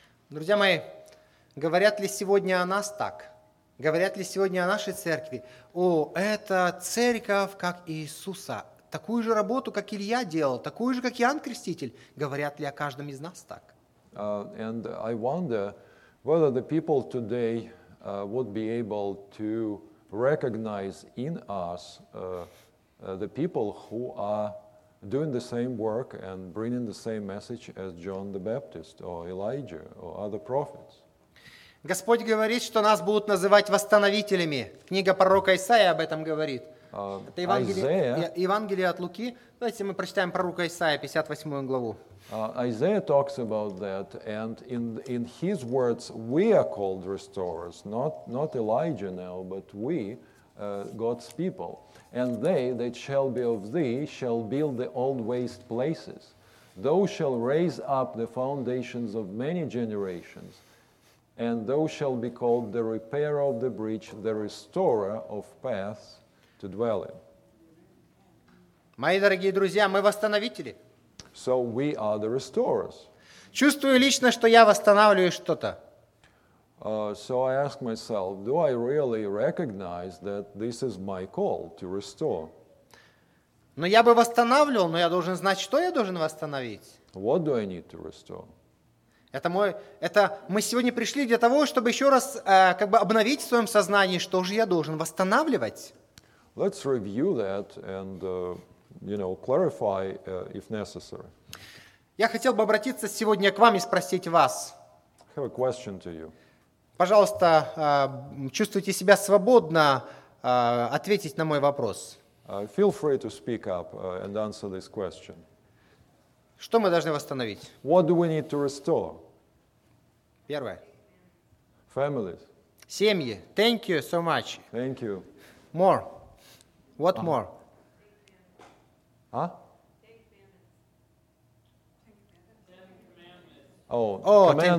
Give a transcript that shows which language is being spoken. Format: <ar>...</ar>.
<ru>Друзья мои, говорят ли сегодня о нас так? Говорят ли сегодня о нашей церкви? О, это церковь, как Иисуса. Такую же работу, как Илья делал, такую же, как Иоанн Креститель. Говорят ли о каждом из нас так?</ru> <en>And I wonder whether the people today would be able to recognize in us the people who are doing the same work and bringing the same message as John the Baptist or Elijah or other prophets.</en> <ru>Господь говорит, что нас будут называть восстановителями. Книга пророка Исаия об этом говорит. Это Евангелие от Луки. Давайте мы прочитаем пророка Исаия, 58 главу.</ru> <en>Isaiah talks about that, and in his words, we are called restorers, not Elijah now, but we, God's people. And they that shall be of thee shall build the old waste places. Thou shall raise up the foundations of many generations, and thou shall be called the repairer of the breach, the restorer of paths to dwell in.</en> <ru>Мои дорогие друзья, мы восстановители.</ru> <en>So we are the restorers.</en> <ru>Чувствую лично, что я восстанавливаю что-то.</ru> <en>So I ask myself, do I really recognize that this is my call to restore?</en> <ru>Но я бы восстанавливал, но я должен знать, что я должен восстановить.</ru> <en>What do I need to restore?</en> <ru>Это мы сегодня пришли для того, чтобы еще раз как бы обновить в своем сознании, что же я должен восстанавливать.</ru> <en>Let's review that and, you know, clarify if necessary.</en> <ru>Я хотел бы обратиться сегодня к вам и спросить вас.</ru> <en>I have a question to you.</en> <ru>Пожалуйста, чувствуйте себя свободно ответить на мой вопрос.</ru> <en>Feel free to speak up and answer this question.</en> <ru>Что мы должны восстановить?</ru> <en>What do we need to restore?</en> <ru>Первое.</ru> <en>Families.</en> <ru>Семьи.</ru> <en>Thank you so much. Thank you. More. What more? Huh? Ten commandments.</en>